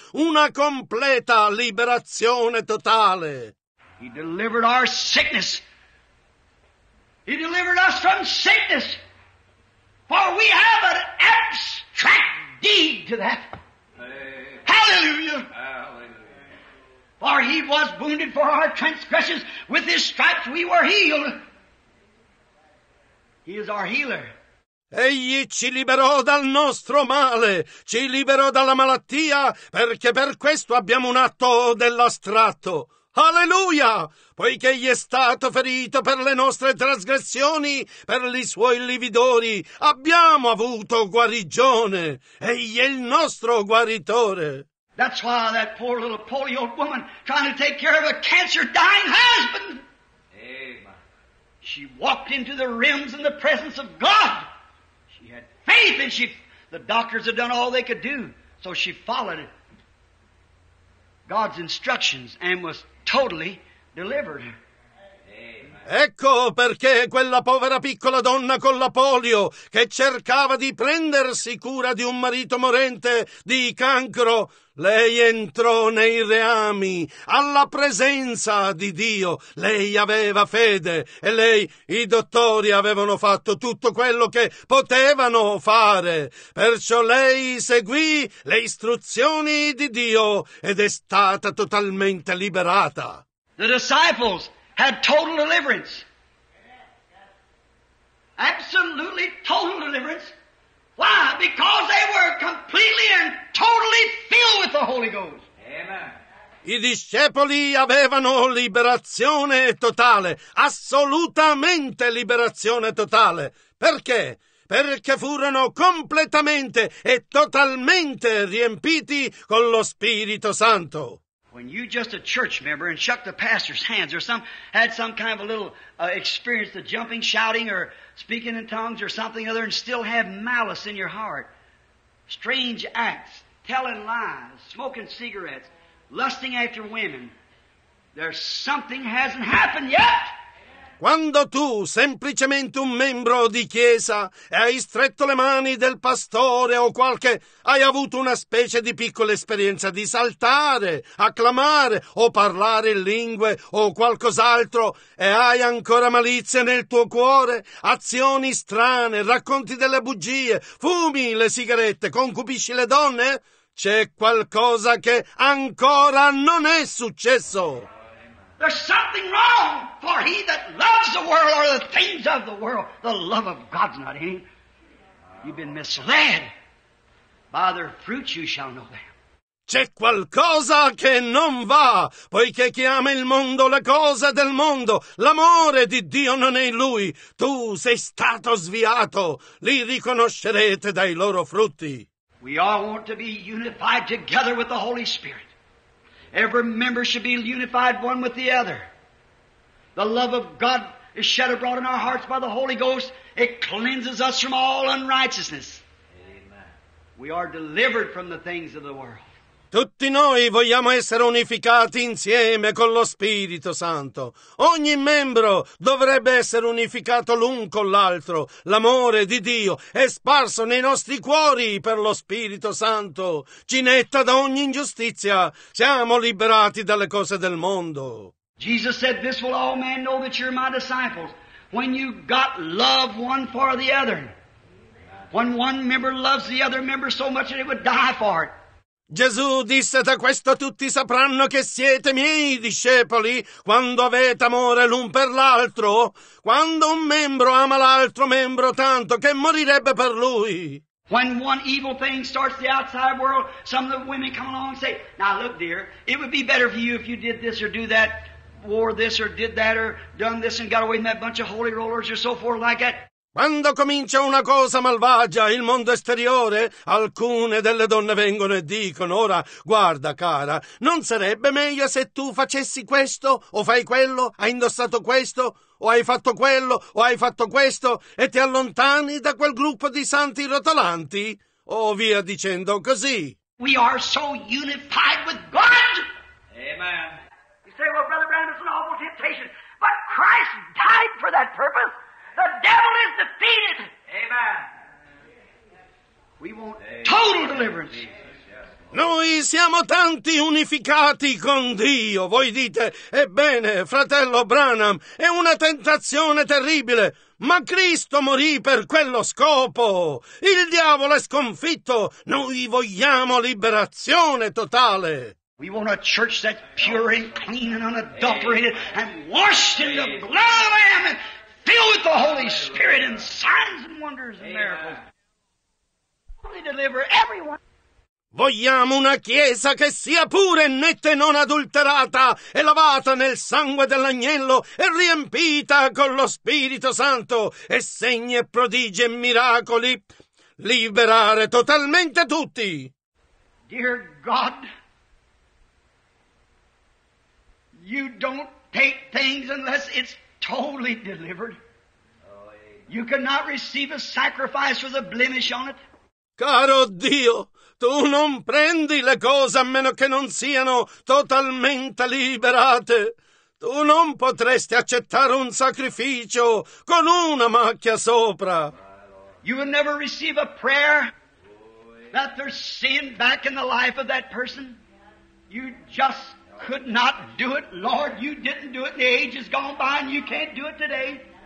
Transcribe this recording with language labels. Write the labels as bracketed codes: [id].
[it] Una completa liberazione totale. [en] He delivered our sickness. He delivered us from sickness. For we have an abstract deed to that. Hallelujah. Hallelujah. For he was wounded for our transgressions. With his stripes we were healed. He is our healer. [it] Egli ci liberò dal nostro male, ci liberò dalla malattia, perché per questo abbiamo un atto dell'astratto. Alleluia! Poiché egli è stato ferito per le nostre trasgressioni, per i suoi lividori, abbiamo avuto guarigione. Egli è il nostro guaritore. [en] That's why that poor little polio woman trying to take care of a cancer dying husband. Amen. She walked into the realms in the presence of God. She had faith and the doctors had done all they could do. So she followed God's instructions and was totally delivered. Amen. [it] Ecco perché quella povera piccola donna con la polio, che cercava di prendersi cura di un marito morente di cancro, lei entrò nei reami, alla presenza di Dio. Lei aveva fede e lei, i dottori avevano fatto tutto quello che potevano fare. Perciò lei seguì le istruzioni di Dio ed è stata totalmente liberata. [en] The disciples had total deliverance. Absolutely total deliverance. Why? Because they were completely and totally filled with the Holy Ghost. Amen. [it] I discepoli avevano liberazione totale, assolutamente liberazione totale. Perché? Perché furono completamente e totalmente riempiti con lo Spirito Santo. [en] When you just a church member and shook the pastor's hands or had some kind of a little experience of jumping, shouting, or speaking in tongues or something other and still have malice in your heart, strange acts, telling lies, smoking cigarettes, lusting after women, there's something hasn't happened yet. [it] Quando tu, semplicemente un membro di chiesa, hai stretto le mani del pastore o qualche, hai avuto una specie di piccola esperienza di saltare, acclamare o parlare in lingue o qualcos'altro e hai ancora malizia nel tuo cuore, azioni strane, racconti delle bugie, fumi le sigarette, concupisci le donne, c'è qualcosa che ancora non è successo. [en] There's something wrong, for he that loves the world or the things of the world, the love of God's not in him. You've been misled. By their fruits you shall know them. [it] C'è qualcosa che non va, poiché chi ama il mondo, le cose del mondo, l'amore di Dio non è in lui. Tu sei stato sviato, li riconoscerete dai loro frutti. [en] We all want to be unified together with the Holy Spirit. Every member should be unified one with the other. The love of God is shed abroad in our hearts by the Holy Ghost. It cleanses us from all unrighteousness. Amen. We are delivered from the things of the world. [it] Tutti noi vogliamo essere unificati insieme con lo Spirito Santo. Ogni membro dovrebbe essere unificato l'un con l'altro. L'amore di Dio è sparso nei nostri cuori per lo Spirito Santo. Ci netta da ogni ingiustizia. Siamo liberati dalle cose del mondo. [en] Jesus said, "This will all men know that you're my disciples. When you got love one for the other. When one member loves the other member so much that he would die for it." [it] Gesù disse, da questo tutti sapranno che siete miei discepoli, quando avete amore l'un per l'altro, quando un membro ama l'altro membro tanto che morirebbe per lui. [en] When one evil thing starts the outside world, some of the women come along and say, "Now look dear, it would be better for you if you did this or do that, wore this or did that or done this and got away from that bunch of holy rollers or so forth like that." [it] Quando comincia una cosa malvagia, il mondo esteriore, alcune delle donne vengono e dicono, ora, guarda cara, non sarebbe meglio se tu facessi questo, o fai quello, hai indossato questo, o hai fatto quello, o hai fatto questo, e ti allontani da quel gruppo di santi rotolanti, o via dicendo così. [en] We are so unified with God. Amen. You say, well, Brother Branham, it's an awful temptation, but Christ died for that purpose. The devil is defeated. Amen. We want total deliverance. [it] Noi siamo tanti unificati con Dio. Voi dite, ebbene, fratello Branham, è una tentazione terribile, ma Cristo morì per quello scopo. Il diavolo è sconfitto. Noi vogliamo liberazione totale. [en] We want a church that's pure and clean and unadulterated and washed in the blood of the Lamb. Filled with the Holy Spirit and signs and wonders and miracles. We deliver everyone. [it] Vogliamo una chiesa che sia pura e netta e non adulterata, e lavata nel sangue dell'agnello e riempita con lo Spirito Santo e segni e prodigi e miracoli. Liberare totalmente tutti. [en] Dear God, you don't take things unless it's totally delivered. You cannot receive a sacrifice with a blemish on it. [it] Caro Dio, tu non prendi le cose a meno che non siano totalmente liberate. Tu non potresti accettare un sacrificio con una macchia sopra. [en] You would never receive a prayer that there's sin back in the life of that person. You just could not do it. Lord, you didn't do it. The age has gone by and you can't do it today.